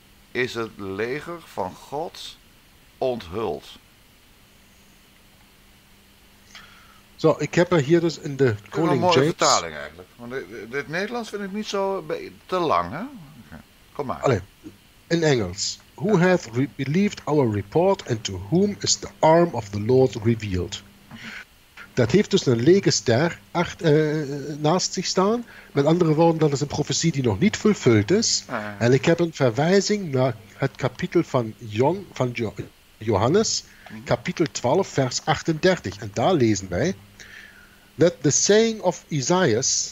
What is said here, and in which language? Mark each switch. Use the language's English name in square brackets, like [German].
[Dutch] is het leger van God onthuld? Zo, ik heb er hier dus in de Koning James... Een mooie vertaling eigenlijk. Want dit Nederlands vind ik niet zo te lang, hè? Okay. Kom maar. Allee. In Engels. [English] Who hath believed our report and to whom is the arm of the Lord revealed? [Dutch] Dat heeft dus een lege ster naast zich staan. Met andere woorden, dat is een profetie die nog niet vervuld is. En ik heb een verwijzing naar het kapitel van Johannes... Kapitel 12, vers 38. En daar lezen wij... [English] That the saying of Isaiah...